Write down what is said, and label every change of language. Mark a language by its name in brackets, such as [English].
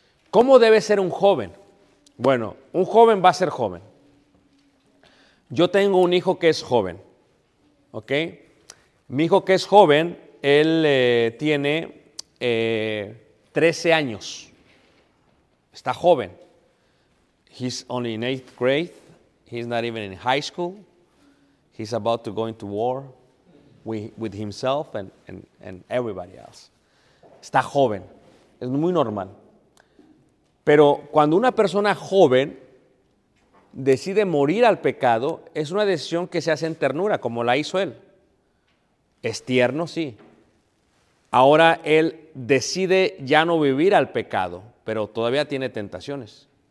[Spanish] ¿Cómo debe ser un joven? Bueno, un joven va a ser joven. Yo tengo un hijo que es joven, ¿ok? Mi hijo que es joven, él tiene 13 años. Está joven. [English] He's only in eighth grade. He's not even in high school. He's about to go into war with himself and everybody else. [Spanish] Está joven. Es muy normal. Pero cuando una persona joven decide morir al pecado, es una decisión que se hace en ternura, como la hizo él. Es tierno, sí. Ahora él decide ya no vivir al pecado, pero todavía tiene tentaciones.